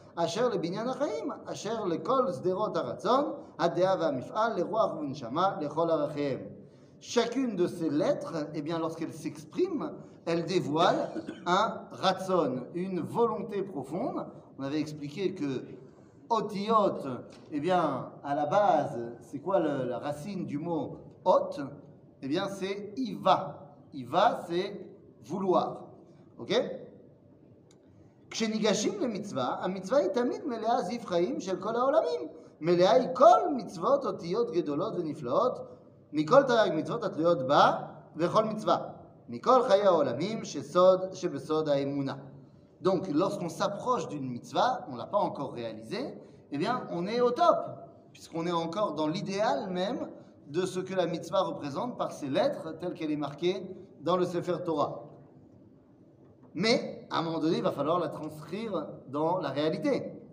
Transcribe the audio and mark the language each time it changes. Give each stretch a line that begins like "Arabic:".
Hebrew: אשר לבניין החיים, אשר לכל סדרות הרצון, הדעה והמפעל, לרוח ונשמה, לכל ערכיהם.
French: Chacune de ces lettres, eh bien, lorsqu'elle s'exprime, elle dévoile un ratzon, une volonté profonde. On avait expliqué que otiot, eh bien, à la base, c'est quoi le, la racine du mot ot? Eh bien, c'est iva. Iva, c'est vouloir. Ok?
Hebrew: כשניגשים למצווה, המצווה היא תמיד מלאה זיו חיים של כל העולמים. מלאה היא כל מצוות אותיות גדולות ונפלאות, מכל תרג מצוות התלויות בה, וכל מצווה. מכל חיי העולמים שסוד, שבסוד האמונה.
French: Donc, lorsqu'on s'approche d'une mitzvah, on ne l'a pas encore réalisé, eh bien, on est au top, puisqu'on est encore dans l'idéal même de ce que la mitzvah représente par ses lettres, telles qu'elle est marquée dans le Sefer Torah. Mais, à un moment donné, il va falloir la transcrire dans la réalité.